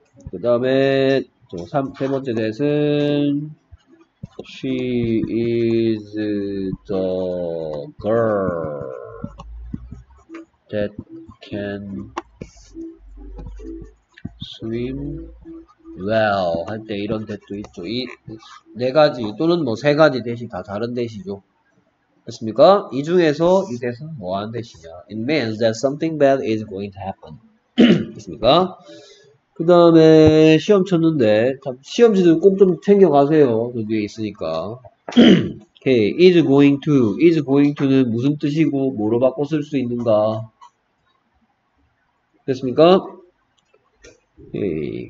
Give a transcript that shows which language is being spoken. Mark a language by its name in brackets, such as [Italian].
[Korean] 그 다음에 세 번째 데스는 [English] she is the girl that can swim well. [Korean] 할 때 이런 데도 있죠. 이 네 가지 또는 뭐 세 가지 대시 다 다른 대시죠. 됐습니까? 이 중에서 이 대신 뭐 하는 대시냐? [English] It means that something bad is going to happen. [Korean] 됐습니까? 그 다음에 시험 쳤는데, 시험지도 꼭 좀 챙겨가세요. 저 뒤에 있으니까. [English] Okay. Is going to. [Korean] Is going to는 무슨 뜻이고 뭐로 바꿔 쓸 수 있는가? 됐습니까? 오케이.